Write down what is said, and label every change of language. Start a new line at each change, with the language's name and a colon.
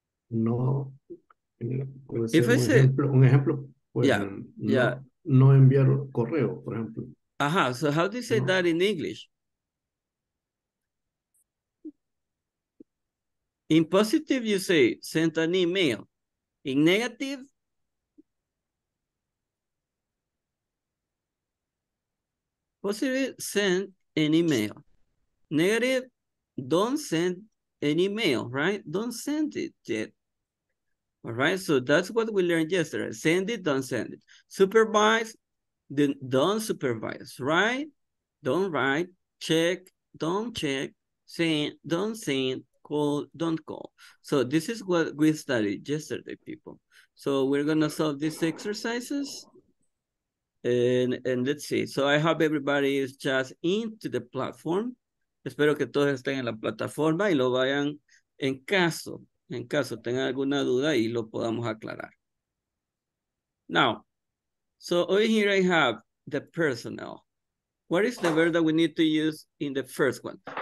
Spanish: No, puede ser un ejemplo, pues no enviar correo, por ejemplo.
English: Ajá, so how do you say that in English? In positive, you say sent an email. In negative, positive, send an email. Negative, don't send an email, right? Don't send it yet. All right, so that's what we learned yesterday. Send it, don't send it. Supervise, then don't supervise. Write, don't write. Check, don't check. Send, don't send. Call, don't call. So this is what we studied yesterday, people. So we're going to solve these exercises. And let's see. So I hope everybody is just into the platform.
Spanish: Espero que todos estén en la plataforma y lo vayan en caso. En caso tenga alguna duda y lo podamos aclarar.
English: Now, so over here I have the personnel. What is the verb that we need to use in the first one?